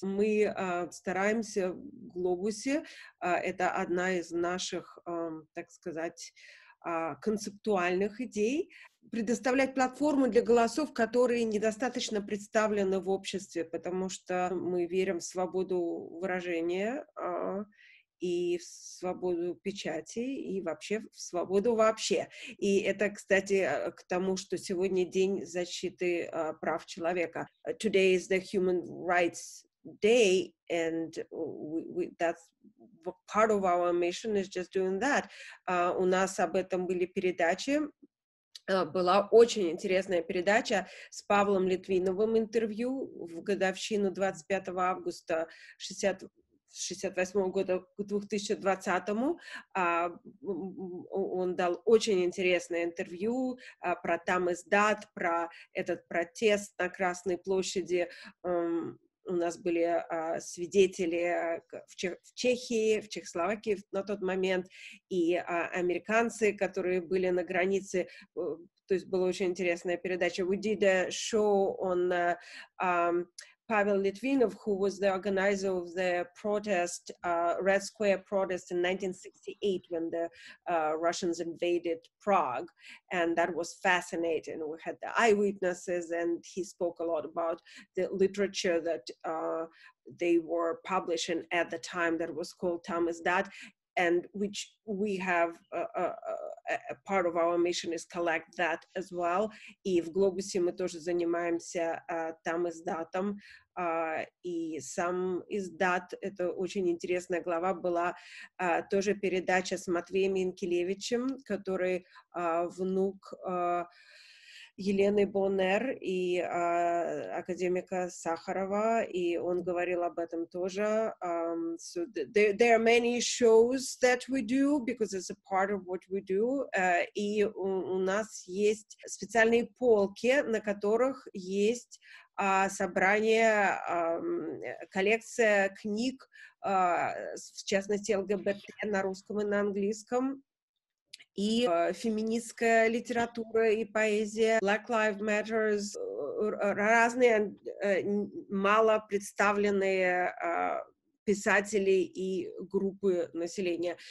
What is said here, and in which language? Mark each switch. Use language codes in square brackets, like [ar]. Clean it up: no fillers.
[ru] Мы стараемся в Глобусе, это одна из наших, так сказать, концептуальных идей, предоставлять платформу для голосов, которые недостаточно представлены в обществе, потому что мы верим в свободу выражения и в свободу печати, и вообще в свободу вообще. И это, кстати, к тому, что сегодня день защиты прав человека. [en] Today is the Human Rights Day, and that's part of our mission is just doing that. [ru] У нас об этом были передачи. Была очень интересная передача с Павлом Литвиновым, интервью в годовщину 25 августа 68 года к 2020-му. Он дал очень интересное интервью про там издат, про этот протест на Красной площади. У нас были свидетели в Чехии, в Чехословакии на тот момент, и американцы, которые были на границе. То есть была очень интересная передача. [en] We did a show on Pavel Litvinov, who was the organizer of the protest, Red Square protest in 1968, when the Russians invaded Prague. And that was fascinating. We had the eyewitnesses, and he spoke a lot about the literature that they were publishing at the time that was called Там издат, and which we have a part of our mission is collect that as well. [ru] И в Глобусе мы тоже занимаемся Там издатом. И сам издат, это очень интересная глава, была тоже передача с Матвеем Янкелевичем, который внук Елены Боннер и академика Сахарова, и он говорил об этом тоже. [en] So there are many shows that we do, because it's a part of what we do. [ru] И у нас есть специальные полки, на которых есть собрание, коллекция книг, в частности, ЛГБТ на русском и на английском, и феминистская литература и поэзия, Black Lives Matter, разные мало представленные писатели и группы населения.